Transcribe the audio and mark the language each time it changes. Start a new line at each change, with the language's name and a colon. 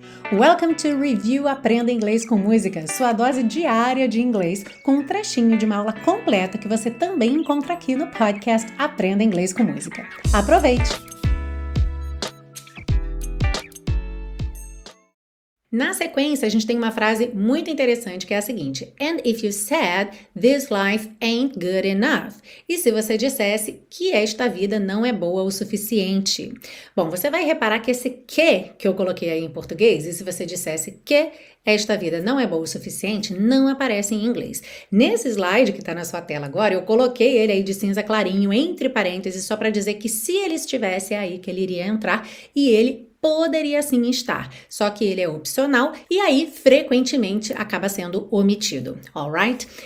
English: Welcome to
Portuguese: Review Aprenda Inglês com Música, sua dose diária de inglês, com um trechinho de uma aula completa que você também encontra aqui no podcast Aprenda Inglês com Música. Aproveite! Na sequência, a gente tem uma frase muito interessante, que é a seguinte.
English: And if you said, this life ain't good enough.
Portuguese: E se você dissesse que esta vida não é boa o suficiente? Bom, você vai reparar que esse que eu coloquei aí em português, e se você dissesse que esta vida não é boa o suficiente, não aparece em inglês. Nesse slide que está na sua tela agora, eu coloquei ele aí de cinza clarinho, entre parênteses, só para dizer que se ele estivesse aí, que ele iria entrar e ele poderia sim estar, só que ele é opcional e aí frequentemente acaba sendo omitido, alright?